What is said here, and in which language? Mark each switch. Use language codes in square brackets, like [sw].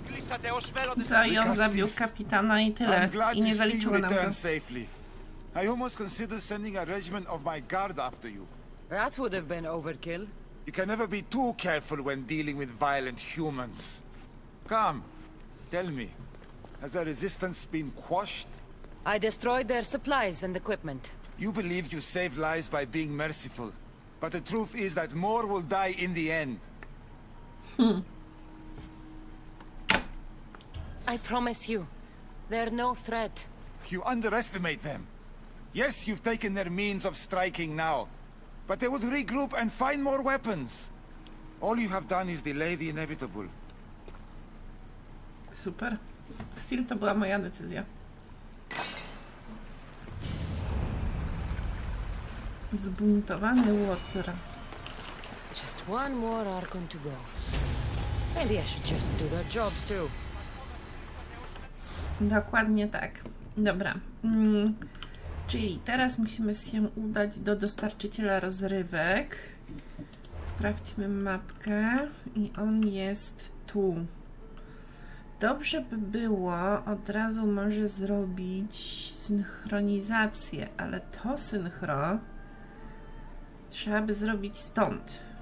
[pl] I on zabił kapitana i tyle. I nie zaliczył nam go. [en] I almost considered sending a regiment of my guard after you. That would have been overkill. You can never be too careful when dealing with violent humans. Come, tell me, has the resistance been quashed? I destroyed their supplies and equipment. You believed you saved lives by being merciful, but the truth is that more will die in the end. I promise you, they're no threat. You underestimate them. Yes, you've taken their means of striking now, but they would regroup and find more weapons. All you have done is delay the inevitable. [pl] Super. [en] Still, [pl] to była moja decyzja. Zbuntowany Water. [en] Just one more Archon to go. Maybe I should just do their jobs too. [pl] Dokładnie tak. Dobra. Czyli teraz musimy się udać do dostarczyciela rozrywek. Sprawdźmy mapkę. I on jest tu. Dobrze by było od razu może zrobić synchronizację, ale to synchro trzeba by zrobić stąd.